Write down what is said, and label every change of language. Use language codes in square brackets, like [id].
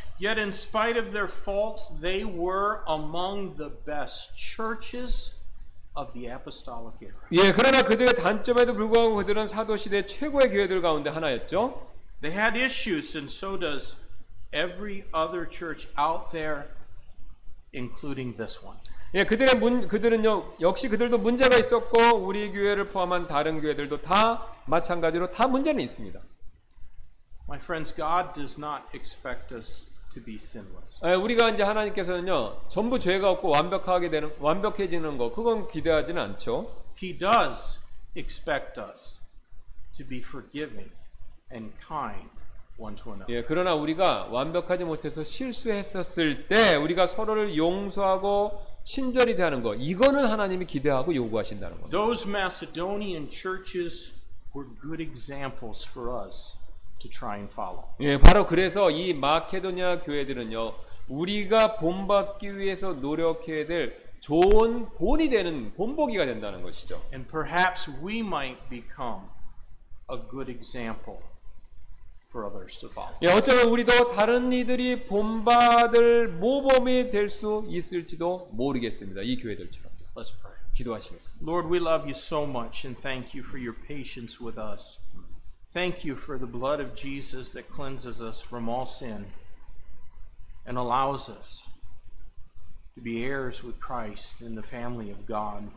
[en] Yet in spite of their faults, they were among the best churches of the apostolic era. [ko] 예, 그러나 그들의 단점에도 불구하고 그들은 사도시대 최고의 교회들 가운데 하나였죠. [en] They had issues and so does every other church out there including this one. [ko] 예, 그들은요 역시 그들도 문제가 있었고 우리 교회를 포함한 다른 교회들도 다 마찬가지로 다 문제는 있습니다. [en] My friends, God does not expect us to be sinless. [ko] 우리가 이제 하나님께서는요 전부 죄가 없고 완벽하게 되는 완벽해지는 거 그건 기대하지는 않죠. [en] He does expect us to be forgiving and kind one to another. [ko] 예, 그러나 우리가 완벽하지 못해서 실수했었을 때 우리가 서로를 용서하고 친절히 대하는 거 이거는 하나님이 기대하고 요구하신다는 거. [en] Those Macedonian churches were good examples for us to try and follow. [ko] 예, 바로 그래서 이 마케도니아 교회들은요 우리가 본받기 위해서 노력해야 될 좋은 본이 되는 본보기가 된다는 것이죠. [en] And perhaps we might become a good example. for others to follow. [ko] 예, 어쩌면 우리도 다른 이들이 본받을 모범이 될 수 있을지도 모르겠습니다. 이 교회들처럼. [en] Let's pray. [ko] 기도하시겠습니다. [en] Lord, we love you so much and thank you for your patience with us. Thank you for the blood of Jesus that cleanses us from all sin and allows us to be heirs with Christ in the family of God.